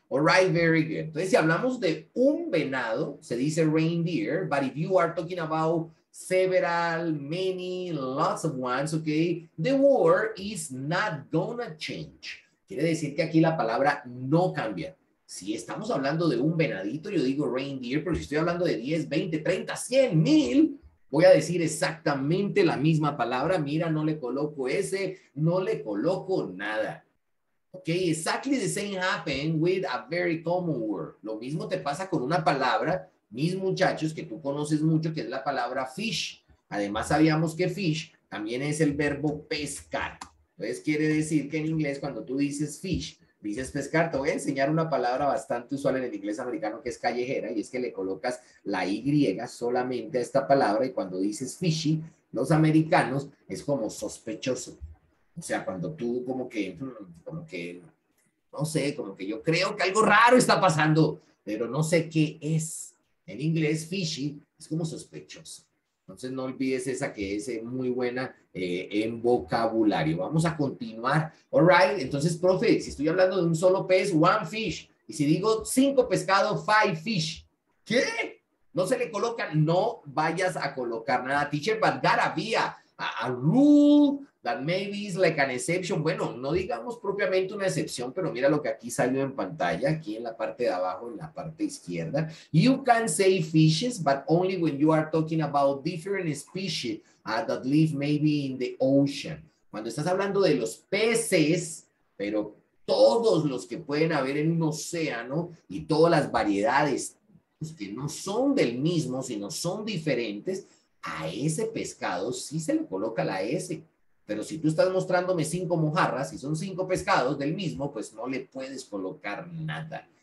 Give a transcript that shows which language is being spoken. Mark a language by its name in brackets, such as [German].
[English] All right, very good. [Spanish] Entonces, si hablamos de un venado, se dice [English] reindeer, but if you are talking about several, many, lots of ones, okay, the word is not gonna change. [Spanish] Quiere decir que aquí la palabra no cambia. Si estamos hablando de un venadito, yo digo reindeer, pero si estoy hablando de 10, 20, 30, 100, 1000, voy a decir exactamente la misma palabra. Mira, no le coloco ese, no le coloco nada. [English] Okay, exactly the same happened with a very common word. [Spanish] Lo mismo te pasa con una palabra, mis muchachos, que tú conoces mucho, que es la palabra fish. Además, sabíamos que fish también es el verbo pescar. Entonces, quiere decir que en inglés, cuando tú dices fish, dices pescar. Te voy a enseñar una palabra bastante usual en el inglés americano, que es callejera, y es que le colocas la Y solamente a esta palabra, y cuando dices fishy, los americanos, es como sospechoso. O sea, cuando tú como que, no sé, como que yo creo que algo raro está pasando, pero no sé qué es. En inglés, fishy, es como sospechoso. Entonces, no olvides esa, que es muy buena en vocabulario. Vamos a continuar. All right. Entonces, profe, si estoy hablando de un solo pez, one fish. Y si digo cinco pescados, five fish. ¿Qué? No se le coloca. No vayas a colocar nada. [English] Teacher, but gotta be a rule that maybe is like an exception. [Spanish] Bueno, no digamos propiamente una excepción, pero mira lo que aquí salió en pantalla, aquí en la parte de abajo, en la parte izquierda. [English] You can say fishes, but only when you are talking about different species that live maybe in the ocean. [Spanish] Cuando estás hablando de los peces, pero todos los que pueden haber en un océano y todas las variedades, pues, que no son del mismo, sino son diferentes, a ese pescado sí se le coloca la S. Pero si tú estás mostrándome cinco mojarras y son cinco pescados del mismo, pues no le puedes colocar nada.